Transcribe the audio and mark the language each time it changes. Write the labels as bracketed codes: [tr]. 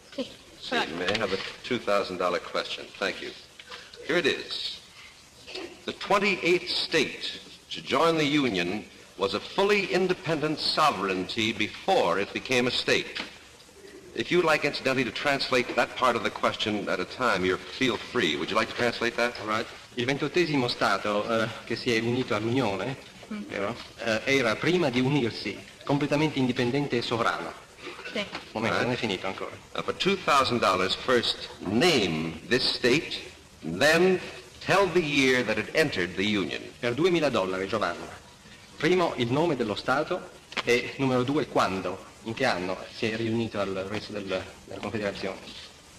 [it] Sì. [en] You may have a $2,000 question. Thank you. Here it is. The 28th state to join the Union was a fully independent sovereignty before it became a state. If you'd like, incidentally, to translate that part of the question at a time, you feel free. Would you like to translate that? All right. [it] Il 28esimo stato che si è unito all'Unione vero? Era prima di unirsi, completamente indipendente e sovrano. Sì. Momento, right. Non è finito ancora. [en] For $2,000, first name this state, then tell the year that it entered the Union. [it] Per $2,000, Giovanna. Primo, il nome dello Stato e numero due, quando, in che anno si è riunito al resto della Confederazione.